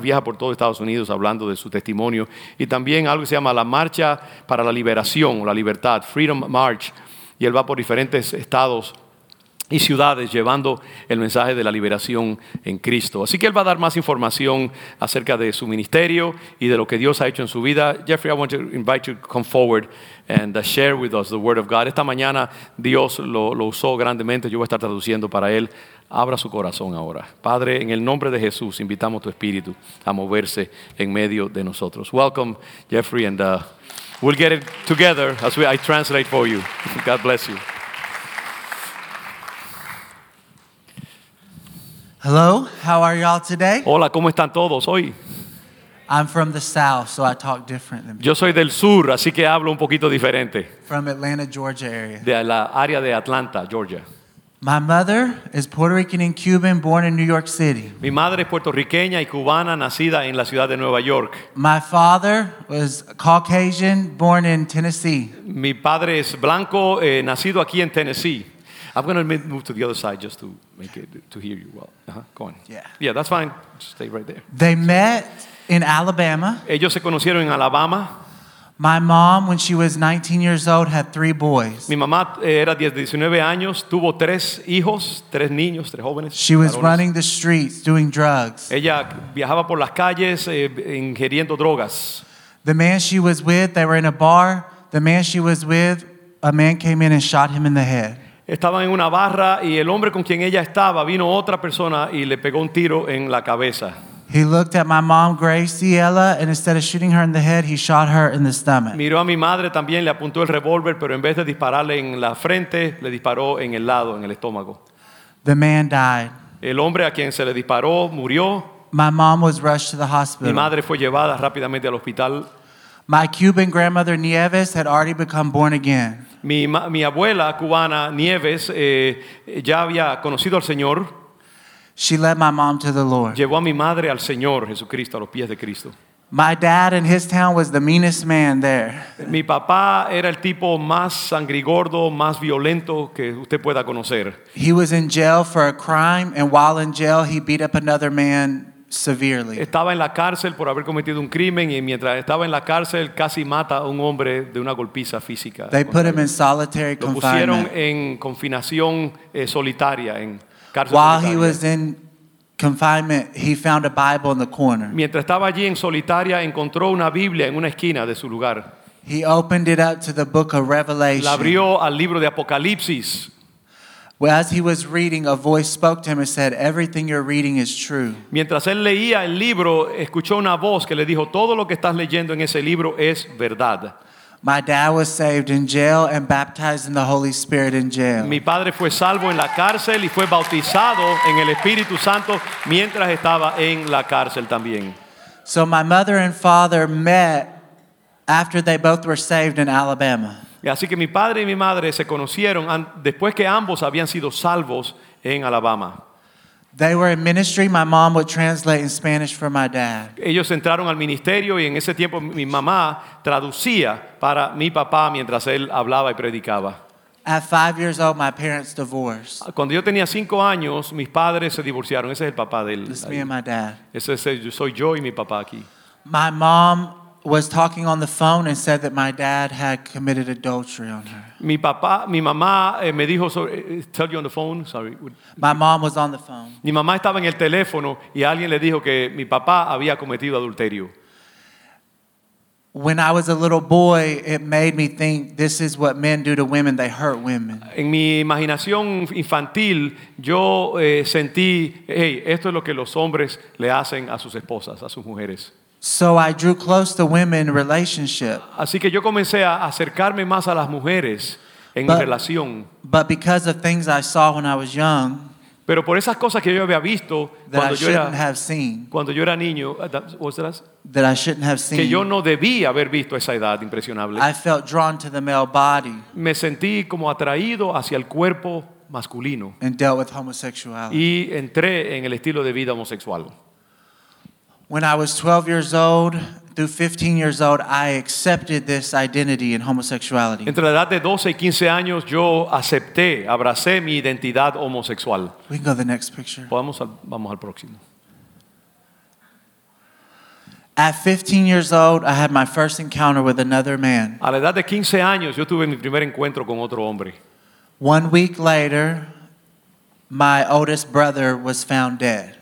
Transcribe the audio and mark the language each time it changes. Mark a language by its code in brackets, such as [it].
[es] Él viaja por todo Estados Unidos hablando de su testimonio y también algo que se llama la Marcha para la Liberación, la Libertad, Freedom March, y él va por diferentes estados y ciudades llevando el mensaje de la liberación en Cristo. Así que él va a dar más información acerca de su ministerio y de lo que Dios ha hecho en su vida. [en] Jeffrey, I want to invite you to come forward and share with us the word of God. [es] Esta mañana Dios lo usó grandemente. Yo voy a estar traduciendo para él. Abra su corazón ahora. Padre, en el nombre de Jesús, invitamos tu espíritu a moverse en medio de nosotros. [en] Welcome, Jeffrey, and we'll get it together as I translate for you. God bless you. Hello, how are y'all today? [es] Hola, ¿cómo están todos hoy? [en] I'm from the south, so I talk different than people. [es] Yo soy del sur, así que hablo un poquito diferente. [en] From Atlanta, Georgia area. [es] De la área de Atlanta, Georgia. [en] My mother is Puerto Rican and Cuban, born in New York City. [es] Mi madre es puertorriqueña y cubana, nacida en la ciudad de Nueva York. [en] My father was Caucasian, born in Tennessee. [es] Mi padre es blanco, nacido aquí en Tennessee. [en] I'm going to move to the other side just to make it to hear you well. Uh-huh. Go on. Yeah, that's fine. Just stay right there. They met in Alabama. [es] Ellos se conocieron en Alabama. [en] My mom, when she was 19 years old, had three boys. [es] Mi mamá era 19 años, tuvo tres hijos, tres niños, tres jóvenes. [en] She was running the streets doing drugs. [es] Ella viajaba por las calles ingiriendo drogas. [en] The man she was with, they were in a bar. The man she was with, a man came in and shot him in the head. [es] Estaban en una barra y el hombre con quien ella estaba vino otra persona y le pegó un tiro en la cabeza. [en] He looked at my mom, Graciela, and instead of shooting her in the head, he shot her in the stomach. [es] Miró a mi madre también, le apuntó el revólver, pero en vez de dispararle en la frente, le disparó en el lado, en el estómago. [en] The man died. [es] El hombre a quien se le disparó murió. [en] My mom was rushed to the hospital. [es] Mi madre fue llevada rápidamente al hospital. [en] My Cuban grandmother Nieves had already become born again. [es] Mi abuela cubana Nieves ya había conocido al Señor. [en] She led my mom to the Lord. [es] Llevó a mi madre al Señor Jesucristo, a los pies de Cristo. [en] My dad in his town was the meanest man there. [es] Mi papá era el tipo más sangrigordo, más violento que usted pueda conocer. [en] He was in jail for a crime, and while in jail, he beat up another man severely. [es] Estaba en la cárcel por haber cometido un crimen y mientras estaba en la cárcel casi mata a un hombre de una golpiza física. [en] They put him in solitary confinement. [es] Lo pusieron en confinación solitaria en cárcel. [en] While he was in confinement, he found a Bible in the corner. [es] Mientras estaba allí en solitaria encontró una Biblia en una esquina de su lugar. [en] He opened it up to the book of Revelation. [es] La abrió al libro de Apocalipsis. [en] Well, as he was reading, a voice spoke to him and said, "Everything you're reading is true." [es] Mientras él leía el libro, escuchó una voz que le dijo, "Todo lo que estás leyendo en ese libro es verdad." [en] My dad was saved in jail and baptized in the Holy Spirit in jail. [es] Mi padre fue salvo en la cárcel y fue bautizado en el Espíritu Santo mientras estaba en la cárcel también. [en] So my mother and father met after they both were saved in Alabama. [es] Y así que mi padre y mi madre se conocieron después que ambos habían sido salvos en Alabama. [en] They were in ministry. My mom would translate in Spanish for my dad. [es] Ellos entraron al ministerio y en ese tiempo mi mamá traducía para mi papá mientras él hablaba y predicaba. [en] At 5 years old, my parents divorced. [es] Cuando yo tenía 5 años, mis padres se divorciaron. Ese es el papá de él. [en] It's me and my dad. [es] Ese es el, soy yo y mi papá aquí. [en] My mom was talking on the phone and said that my dad had committed adultery on her. [es] Mi papá, mi mamá me dijo sobre, [en] tell you on the phone, sorry. My mom was on the phone. [es] Mi mamá estaba en el teléfono y alguien le dijo que mi papá había cometido adulterio. [en] When I was a little boy, it made me think this is what men do to women, they hurt women. [es] En mi imaginación infantil, yo sentí, hey, esto es lo que los hombres le hacen a sus esposas, a sus mujeres. [en] So I drew close to women in relationship. [es] Así que yo comencé a acercarme más a las mujeres en mi relación. [en] But because of things I saw when I was young, [es] pero por esas cosas que yo había visto cuando yo era niño, [en] that I shouldn't have seen, [es] que yo no debía haber visto a esa edad impresionable, [en] I felt drawn to the male body, [es] me sentí como atraído hacia el cuerpo masculino, [en] and dealt with homosexuality. [es] Y entré en el estilo de vida homosexual. [en] When I was 12 years old through 15 years old, I accepted this identity in homosexuality. [es] Entre la edad de 12 y 15 años, yo acepté, abracé mi identidad homosexual. [en] We can go to the next picture. [es] Vamos al próximo. [en] At 15 years old, I had my first encounter with another man. [es] A la edad de 15 años, yo tuve mi primer encuentro con otro hombre. [en] 1 week later, my oldest brother was found dead.